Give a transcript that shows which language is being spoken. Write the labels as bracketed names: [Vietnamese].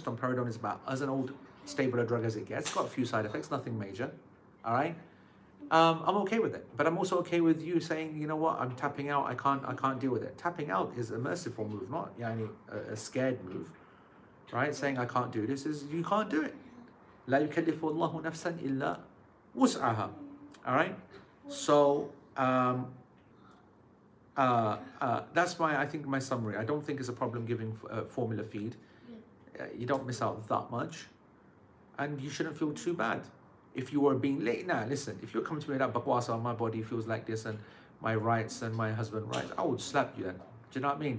[English] Domperidone is about as an old, stable a drug as it gets. It's got a few side effects, nothing major. All right? I'm okay with it. But I'm also okay with you saying, you know what? I'm tapping out. I can't deal with it. Tapping out is a merciful move, not a scared move. Right? Saying I can't do this is you can't do it. [Arabic] لا يكلف الله نفسا إلا وسعها. [English] All right? So, that's why I think my summary, I don't think it's a problem giving formula feed. You don't miss out that much. And you shouldn't feel too bad. If you were being late, now listen, if you're coming to me with that bakwasa, my body feels like this and my rights and my husband's rights, I would slap you then. Do you know what I mean?